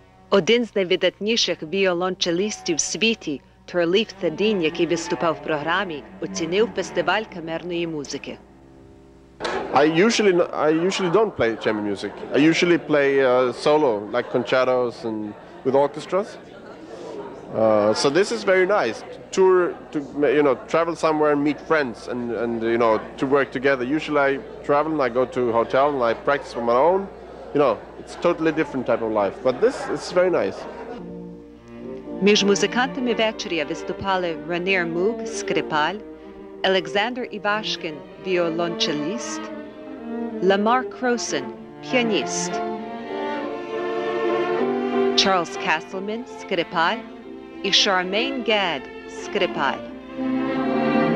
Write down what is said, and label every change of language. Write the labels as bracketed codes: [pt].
[uk] Один з найвидатніших віолончелістів в світі, Терліф Тадін, який виступав в програмі, оцінив фестиваль камерної музики. [en] I usually don't play chamber music. I usually play solo, like concertos and with orchestras. So this is very nice. Tour to, you know, travel somewhere and meet friends and you know, to work together. Usually I travel and I go to a hotel and I practice on my own. You know, it's totally different type of life, but this is very nice. [uk] Між музикантами вечоря виступали Ранір Муг, скрипаль, Александр Івашкін, віолончеліст, Ламар Кросен, піаніст, Чарльз Каслман, скрипаль, і Шармейн Гед, скрипаль.